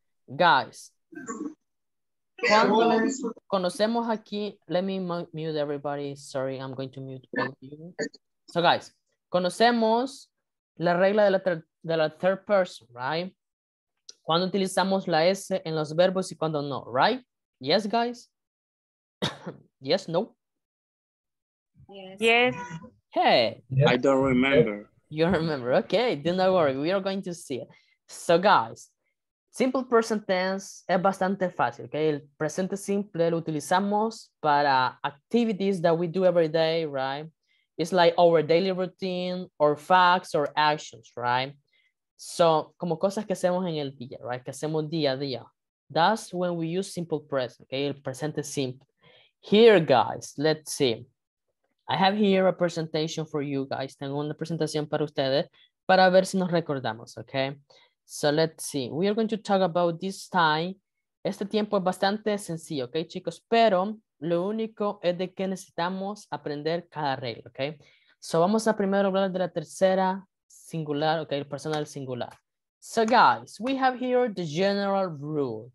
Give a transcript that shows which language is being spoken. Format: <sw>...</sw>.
<en>Guys,</en> <es>cuando conocemos aquí,</es> <en>let me mute everybody. Sorry, I'm going to mute all of you. So, guys,</en> <es>conocemos la regla de la</es> <en>third person, right?</en> <es>Cuando utilizamos la S en los verbos y cuando no, right?</es> <en>Yes, guys? Yes, no? Yes. Hey. I don't remember. You remember. Okay, do not worry. We are going to see it. So, guys, simple present tense</en> <es>es bastante fácil,</es> <en>okay?</en> <es>El presente simple lo utilizamos para</es> <en>activities that we do every day, right? It's like our daily routine or facts or actions, right?</en> <es>So, como cosas que hacemos en el día, right? Que hacemos día a día.</es> <en>That's when we use simple present, okay?</en> <es>El presente simple.</es> <en>Here, guys, let's see. I have here a presentation for you guys.</en> <es>Tengo una presentación para ustedes para ver si nos recordamos, okay?</es> <en>So, let's see. We are going to talk about this time.</en> <es>Este tiempo es bastante sencillo, okay, chicos? Pero lo único es de que necesitamos aprender cada regla, okay? So vamos a primero hablar de la tercera singular, okay, el personal singular.</es> <en>So guys, we have here the general rule.</en>